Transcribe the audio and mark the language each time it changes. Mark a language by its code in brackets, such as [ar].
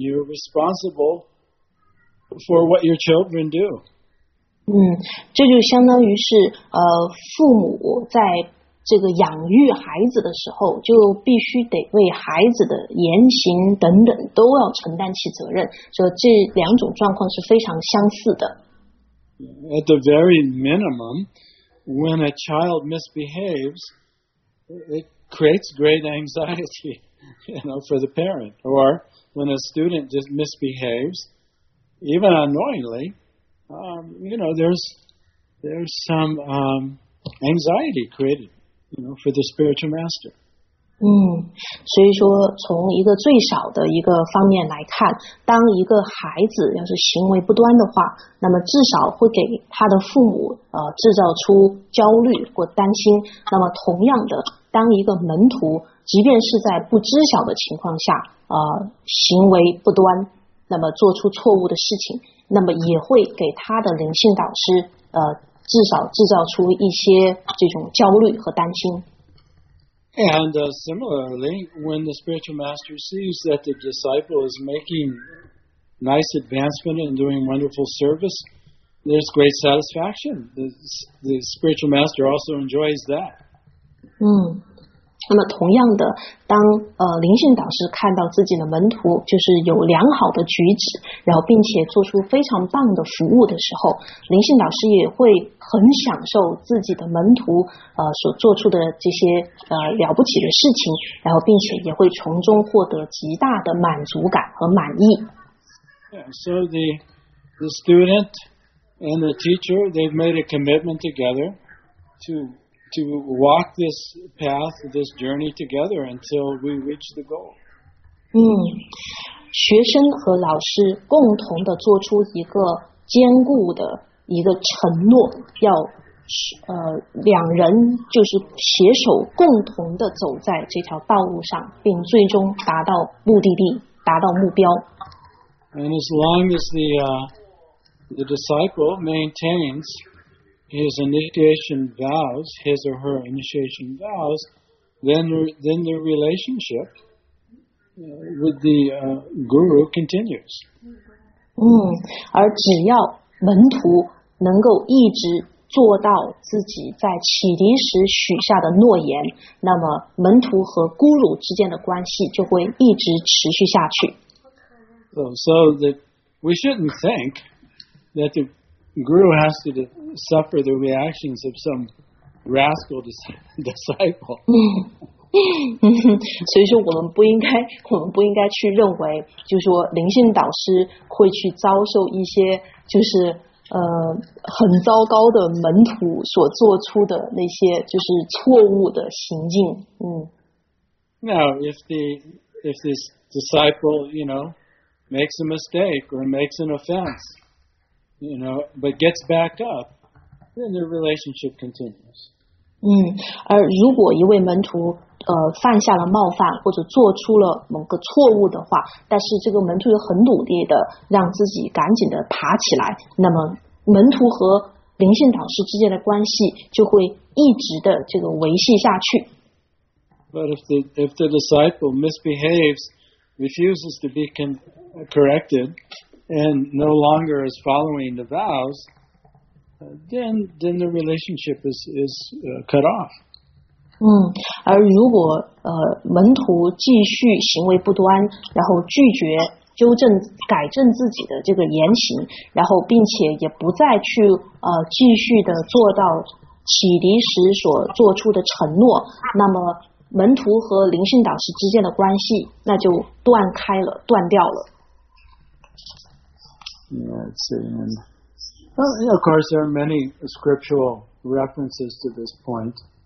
[en] You're responsible for what your children do. [zh] 这就相当于是父母在。这个养育孩子的时候就必须得为孩子的言行等等都要承担起责任，所以这两种状况是非常相似的。 [en] At the very minimum, when a child misbehaves, it creates great anxiety, you know, for the parent. Or when a student just misbehaves, even unknowingly, you know, there's some anxiety created. You know, for the spiritual master. [zh] 所以说从一个最少的一个方面来看，当一个孩子要是行为不端的话，那么至少会给他的父母制造出焦虑或担心。那么同样的，当一个门徒即便是在不知晓的情况下行为不端，那么做出错误的事情，那么也会给他的灵性导师至少制造出一些这种焦虑和担心。 [en] And similarly, when the spiritual master sees that the disciple is making nice advancement and doing wonderful service, there's great satisfaction. The spiritual master also enjoys that. [zh] 那么同样的，当灵性导师看到自己的门徒就是有良好的举止，然后并且做出非常棒的服务的时候，灵性导师也会很享受自己的门徒所做出的这些了不起的事情，然后并且也会从中获得极大的满足感和满意。 [en] Yeah, so the student and the teacher, they've made a commitment together to walk this path, this journey together until we reach the goal. [zh] 学生和老师共同的做出一个坚固的一个承诺，要两人就是携手共同的走在这条道路上，并最终达到目的地，达到目标。 [en] And as long as the disciple maintainshis initiation vows, his or her initiation vows, then the relationship with the guru continues. [zh] 而只要门徒能够一直做到自己在启迪时许下的诺言，那么门徒和孤乳之间的关系就会一直持续下去。 [en] So that we shouldn't think that the guru has to suffer the reactions of some rascal disciple. [zh] 所以说我们不应该去认为就是说灵性导师会去遭受一些就是很糟糕的门徒所做出的那些就是错误的行径。 [en] Now, if this disciple, you know, makes a mistake or makes an offense, you know, but gets back up,then the relationship continues. [zh] 而如果一位门徒犯下了冒犯或者做出了某个错误的话，但是这个门徒又很努力的让自己赶紧的爬起来，那么门徒和灵性导师之间的关系就会一直的这个维系下去。 [en] But if the disciple misbehaves, refuses to be corrected, and no longer is following the vows, then the relationship is cut off. [zh] 而如果门徒继续行为不端，然后拒绝纠正改正自己的这个言行，然后并且也不再去继续的做到启迪时所做出的承诺，那么门徒和灵性导师之间的关系那就断开了，断掉了。 [en] Yeah, well, of course, there are many scriptural references to this point.